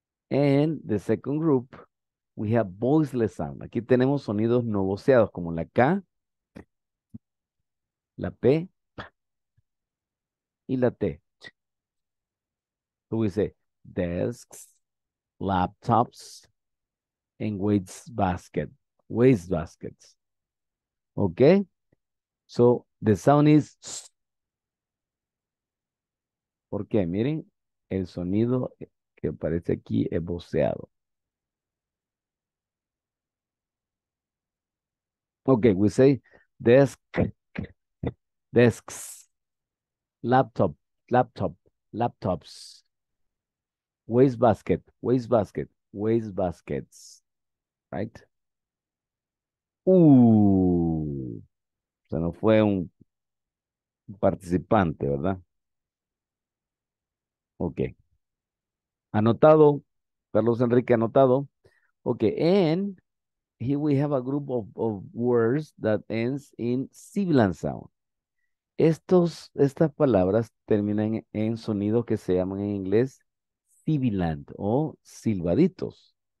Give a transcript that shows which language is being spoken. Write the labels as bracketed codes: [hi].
[en] And the second group, we have voiceless sound. [es] Aquí tenemos sonidos no voceados como la K, la P y la T. [en] So we say desks, laptops, and waste baskets. Okay, so the sound is tss. [es] ¿Por qué? Miren, el sonido que aparece aquí es voceado. [en] Okay, we say desk, desks, laptops, waste baskets, right? [es] Se nos fue un participante, ¿verdad? Ok. Anotado. Carlos Enrique, anotado. Ok. [en] And here we have a group of words that ends in sibilant sound. [es] Estas palabras terminan en sonidos que se llaman en inglés sibilant o silbaditos.